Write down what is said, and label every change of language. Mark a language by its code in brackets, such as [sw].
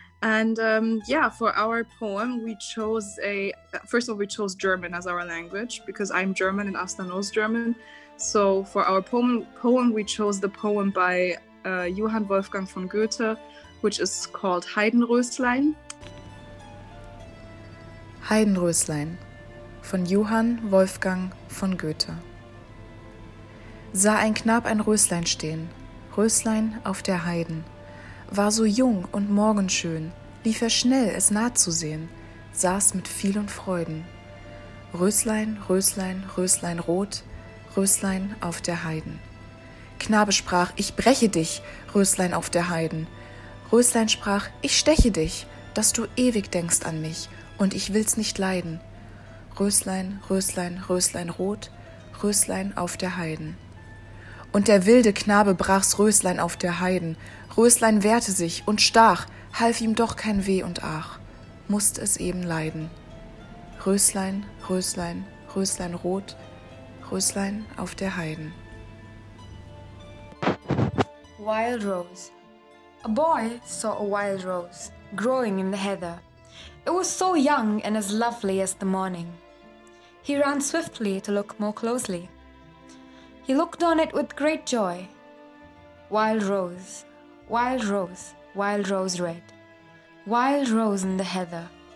[en] And for our poem, we chose German as our language because I'm German and Asta knows German. So for our poem, we chose the poem by Johann Wolfgang von Goethe, which is called Heidenröslein. [de] Heidenröslein von Johann Wolfgang von Goethe. Sah ein Knab ein Röslein stehen, Röslein auf der Heiden, war so jung und morgenschön, lief er schnell, es nah zu sehen, saß mit vielen Freuden. Röslein, Röslein, Röslein rot, Röslein auf der Heiden. Knabe sprach, ich breche dich, Röslein auf der Heiden. Röslein sprach, ich steche dich, dass du ewig denkst an mich und ich will's nicht leiden. Röslein, Röslein, Röslein rot, Röslein auf der Heiden. Und der wilde Knabe brach's Röslein auf der Heiden. Röslein wehrte sich und stach, half ihm doch kein Weh und Ach, musst es eben leiden. Röslein, Röslein, Röslein rot, Röslein auf der Heiden. [en] Wild Rose. A boy saw a wild rose growing in the heather. It was so young and as lovely as the morning. He ran swiftly to look more closely. He looked on it with great joy. Wild rose, wild rose, wild rose red, wild rose in the heather.